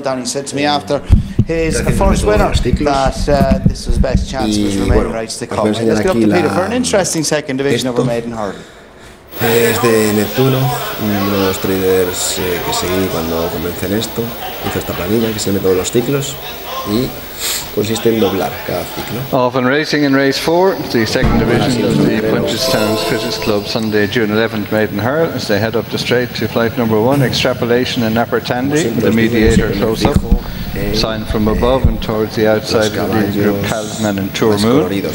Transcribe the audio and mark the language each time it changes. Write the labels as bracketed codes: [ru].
[en] Danny said to me after his first winner that this was the best chance for his remaining rights to come. Let's get up to Peter for an interesting second division over Maiden Hurley. [es] Es de Netunno, uno de los traders que seguí cuando comencé en esto. Hizo esta planilla que se mete todos los ciclos y consiste en doblar cada ciclo. [en] Off and racing in race 4, the second division of the Punchestown's Fittest Club, Sunday, June 11th, Maiden Hurl, as they head up the straight to flight number 1, Extrapolation and Upper Tandy, the Mediator close up. Signed from above and towards the outside of the group Kalsman and Tour Moon.